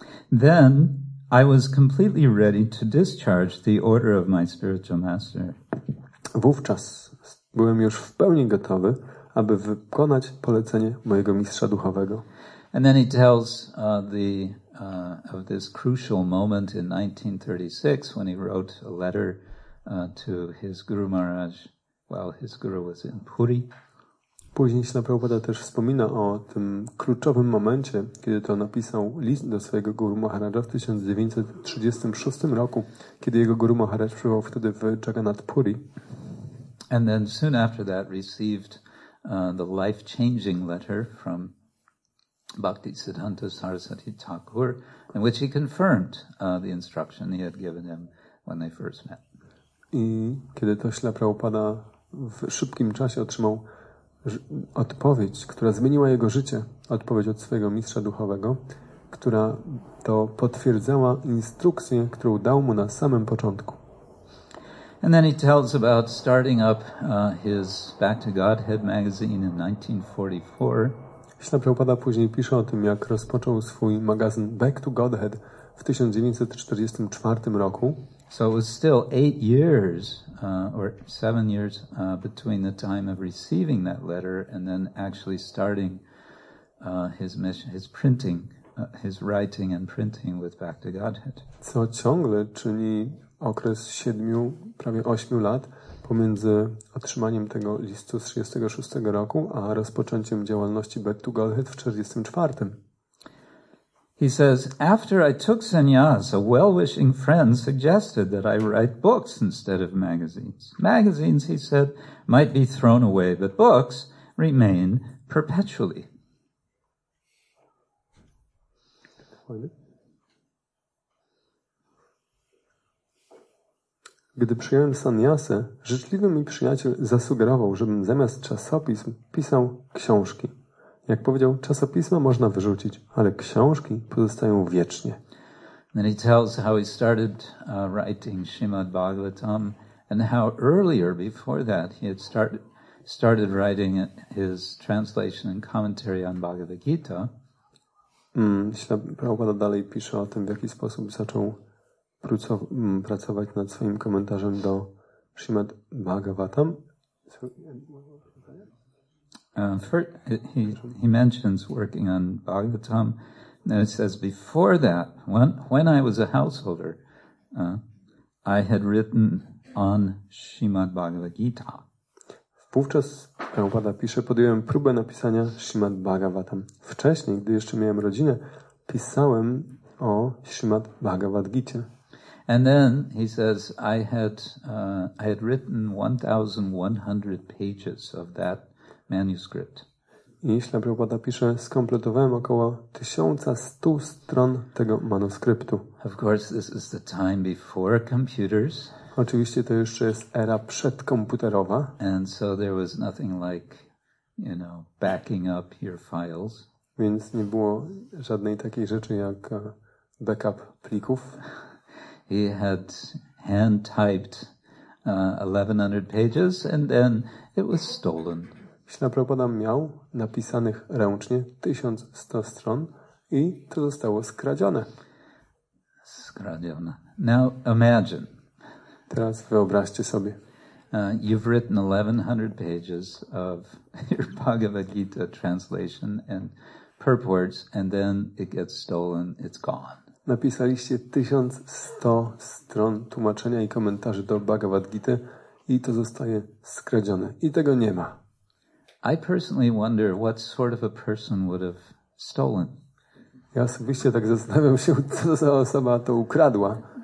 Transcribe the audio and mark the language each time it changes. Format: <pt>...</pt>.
<en>Then I was completely ready to discharge the order of my spiritual master.</en> <pl>Wówczas byłem już w pełni gotowy, aby wykonać polecenie mojego mistrza duchowego.</pl> <en>And then he tells of this crucial moment in 1936 when he wrote a letter to his Guru Maharaj. while his guru was in Puri.</en> <pl>Później Śrīla Prabhupāda też wspomina o tym kluczowym momencie, kiedy to napisał list do swojego guru Maharaja w 1936 roku, kiedy jego guru Maharaj przebywał wtedy w Jagannath Puri.</pl> <en>And then soon after that received the life-changing letter from Bhaktisiddhanta Sarasvati Thakur, in which he confirmed the instruction he had given him when they first met.</en> <pl>I kiedy to Śrīla Prabhupāda w szybkim czasie otrzymał odpowiedź, która zmieniła jego życie, odpowiedź od swojego mistrza duchowego, która to potwierdzała instrukcję, którą dał mu na samym początku.</pl> <en>And then he tells about starting up his Back to Godhead magazine in 1944.</en> <pl>Śrīla Prabhupāda później pisze o tym, jak rozpoczął swój magazyn Back to Godhead w 1944 roku.</pl> <en>So it was still 8 years or 7 years between the time of receiving that letter and then actually starting his mission, his printing, his writing and printing with Back to Godhead.</en> <pl>Co ciągle czyni okres siedmiu, prawie 8 lat pomiędzy otrzymaniem tego listu z 36 roku a rozpoczęciem działalności Back to Godhead w 44.</pl> <en>He says, after I took sannyas, a well-wishing friend suggested that I write books instead of magazines. Magazines, he said, might be thrown away, but books remain perpetually.</en> <pl>Gdy przyjąłem sannyasę, życzliwy mi przyjaciel zasugerował, żebym zamiast czasopism pisał książki. Jak powiedział, czasopisma można wyrzucić, ale książki pozostają wiecznie.</pl> <en>Then he tells how he started writing Srimad Bhagavatam and how earlier before that he had started writing his translation and commentary on Bhagavad Gita.</en> <pl>Śrīla Prabhupāda dalej pisze o tym, w jaki sposób zaczął pracować nad swoim komentarzem do Srimad Bhagavatam.</pl> <en>He mentions working on Bhagavatam, and it says, before that, when I was a householder, I had written on Srimad Bhagavad Gita.</en> <pl>Wówczas, Prabhupada pisze, podjąłem próbę napisania Srimad Bhagavatam. Wcześniej, gdy jeszcze miałem rodzinę, pisałem o Srimad Bhagavad Gita.</pl> <en>And then, he says, I had written 1,100 pages of that manuscript.</en> <pl>I Śrīla Prabhupāda pisze, skompletowałem około 1100 stron tego manuskryptu.</pl> <en>Of course, this is the time before computers.</en> <pl>Oczywiście to jeszcze jest era przedkomputerowa.</pl> <en>And so there was nothing like, you know, backing up your files.</en> <pl>Więc nie było żadnej takiej rzeczy jak backup plików.</pl> <en>He had hand typed 1100 pages and then it was stolen.</en> <pl>Śrīla Prabhupāda miał napisanych ręcznie 1100 stron i to zostało skradzione. Skradzione.</pl> <en>Now imagine.</en> <pl>Teraz wyobraźcie sobie.</pl> <en>You've written 1100 pages of your Bhagavad Gita translation and purports and then it gets stolen, it's gone.</en> <pl>Napisaliście 1100 stron tłumaczenia i komentarzy do Bhagavad Gita i to zostaje skradzione. I tego nie ma.</pl> <en>I personally wonder what sort of a person would have stolen.</en> <pl>Ja osobiście tak zastanawiam się, co za osoba to ukradła.</pl>